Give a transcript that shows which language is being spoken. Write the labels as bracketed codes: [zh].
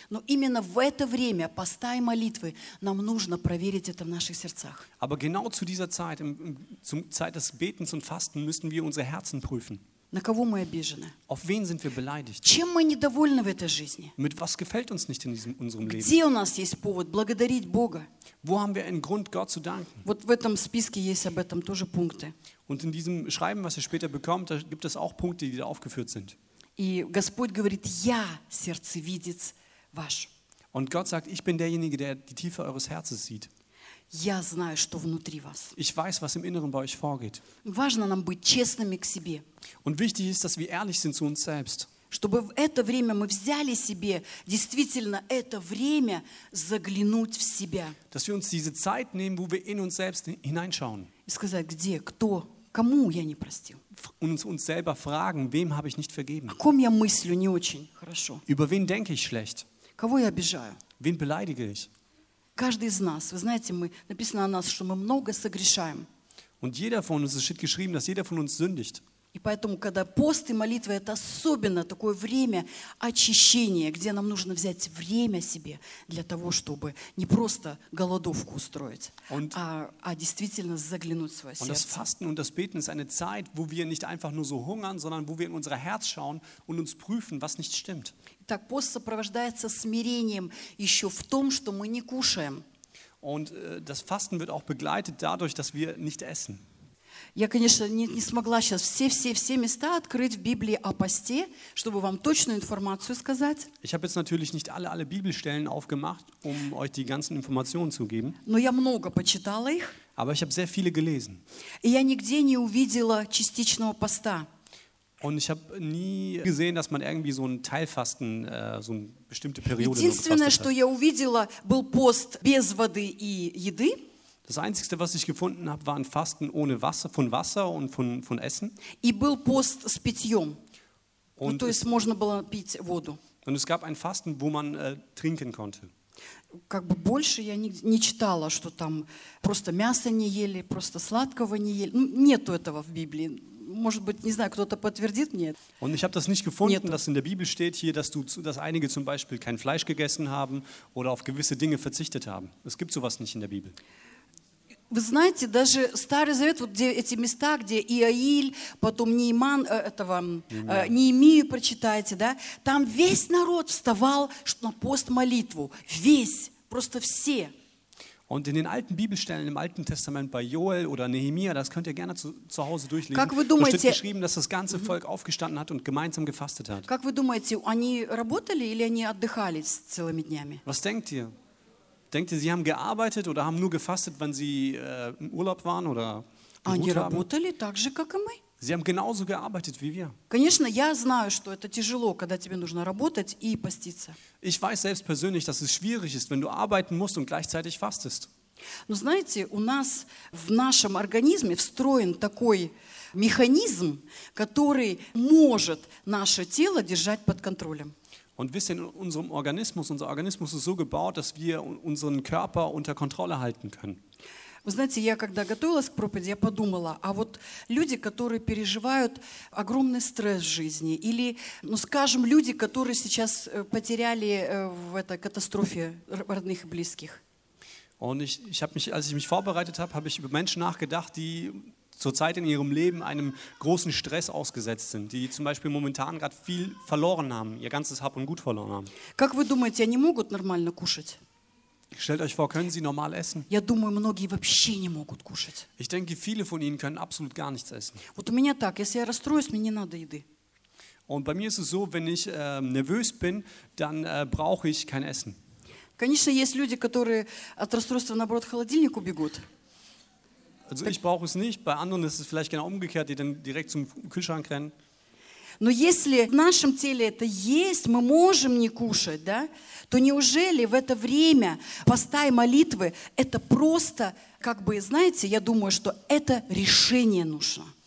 [ru] Но именно в это время поста и молитвы нам нужно проверить это в наших сердцах. [de] Aber genau zu dieser Zeit, zum Zeit des Betens und Fasten, müssen wir unsere Herzen prüfen. [ru] На кого мы обижены? [de] Auf wen sind wir beleidigt? [ru] Чем мы недовольны в этой жизни? [de] Mit was gefällt uns nicht in unserem Leben? [ru] Где у нас есть повод благодарить Бога? [de] Wo haben wir einen Grund, Gott zu danken? [ru] Вот в этом списке есть об этом тоже пункты. [de] Und in diesem Schreiben, was ihr später bekommt, da gibt es auch Punkte, die da aufgeführt sind. [ru] И Господь говорит, я сердцевидец ваш. [de] Und Gott sagt, ich bin derjenige, der die Tiefe eures Herzens sieht. [ru] Я знаю, что внутри вас. [de] Ich weiß, was im Inneren bei euch vorgeht. [ru] Важно нам быть честными к себе. [de] Und wichtig ist, dass wir ehrlich sind zu uns selbst. [ru] Чтобы в это время мы взяли себе действительно это время заглянуть в себя. [de] Dass wir uns diese Zeit nehmen, wo wir in uns selbst hineinschauen. [ru] И сказать, где, кто, кому я не простил. [de] Uns selber fragen, wem habe ich nicht vergeben. [ru] О ком я мыслю не очень хорошо. [de] Über wen denke ich schlecht. [ru] Кого я обижаю. [de] Wen beleidige ich. [ru] Каждый из нас, вы знаете, мы написано о нас, что мы много согрешаем. [de] Und jeder von uns, es steht geschrieben, dass jeder von uns sündigt. [ru] И поэтому, когда пост и молитва, это особенно такое время очищения, где нам нужно взять время себе для того, чтобы не просто голодовку устроить, а действительно заглянуть в свое сердце. [de] Und das Fasten und das Beten ist eine Zeit, wo wir nicht einfach nur so hungern, sondern wo wir in unser Herz schauen und uns prüfen, was nicht stimmt. [ru] Так пост сопровождается смирением еще в том, что мы не кушаем. [de] Und das Fasten wird auch begleitet dadurch, dass wir nicht essen. [ru] Я, конечно, не смогла сейчас все места открыть в Библии о посте, чтобы вам точную информацию сказать. [de] Ich habe jetzt natürlich nicht alle Bibelstellen aufgemacht, um euch die ganzen Informationen zu geben. [ru] Но я много почитала их. [de] Aber ich habe sehr viele gelesen. [ru] И я нигде не увидела частичного поста. [de] Und ich habe nie gesehen, dass man irgendwie so ein Teilfasten, so eine bestimmte Periode gefastet hat. [ru] Единственное, что я увидела, был пост без воды и еды. [de] Das Einzige, was ich gefunden habe, war ein Fasten ohne Wasser, von Wasser und von Essen. [ru] И был пост с питьем. Ну, то есть можно было пить воду. [de] Und es gab ein Fasten, wo man trinken konnte. [ru] Как бы больше я не читала, что там просто мясо не ели, просто сладкого не ели. Нету этого в Библии. Может быть, не знаю, кто-то подтвердит мне. [de] Und ich habe das nicht gefunden, [ru] Нет. [de] dass in der Bibel steht hier, dass du, dass einige zum Beispiel kein Fleisch gegessen haben oder auf gewisse Dinge verzichtet haben. Es gibt sowas nicht in der Bibel. [ru] Вы знаете, даже Старый Завет, вот где эти места, где Иаиль, потом Нейман, этого, Неемию прочитаете, да? Там весь народ вставал на пост-молитву. Весь, просто все. [de] Und in den alten Bibelstellen im Alten Testament bei Joel oder Nehemia, das könnt ihr gerne zu Hause durchlesen. [ru] Как вы думаете, [de] da steht geschrieben, dass das ganze Volk aufgestanden hat und gemeinsam gefastet hat. [ru] Как вы думаете, они работали или они отдыхали целыми днями? [de] Was denkt ihr? Denkt ihr, sie haben gearbeitet oder haben nur gefastet, wenn sie im Urlaub waren oder [ru] Они работали так же, как и мы. [de] Sie haben genauso gearbeitet wie wir. [ru] Конечно, я знаю, что это тяжело, когда тебе нужно работать и поститься. [de] Ich weiß selbst persönlich, dass es schwierig ist, wenn du arbeiten musst und gleichzeitig fastest. [ru] Но знаете, у нас в нашем организме встроен такой механизм, который может наше тело держать под контролем. [de] Und wisst ihr, unser Organismus ist so gebaut, dass wir unseren Körper unter Kontrolle halten können. [ru] Вы знаете, я когда готовилась к проповеди, я подумала, а вот люди, которые переживают огромный стресс в жизни, или, ну скажем, люди, которые сейчас потеряли в этой катастрофе родных и близких. [de] Und ich habe mich, als ich mich vorbereitet habe, habe ich über Menschen nachgedacht, die zurzeit in ihrem Leben einem großen Stress ausgesetzt sind, die zum Beispiel momentan gerade viel verloren haben, ihr ganzes Hab und Gut verloren haben. [ru] Как вы думаете, они могут нормально кушать? [de] Stellt euch vor, können sie normal essen? [ru] Я думаю, многие вообще не могут кушать. [de] Ich denke, viele von ihnen können absolut gar nichts essen. [ru] Вот у меня так, если я расстроюсь, мне не надо еды. [de] Und bei mir ist es so, wenn ich nervös bin, dann brauche ich kein Essen. [ru] Конечно, есть люди, которые от расстройства наоборот к холодильнику бегут. [de] Also ich brauche es nicht, bei anderen ist es vielleicht genau umgekehrt, die dann direkt zum Kühlschrank rennen. [ru] Но если в нашем теле это есть, мы можем не кушать, да? То неужели в это время поста и молитвы это просто, как бы, знаете, я думаю, что это решение нужно.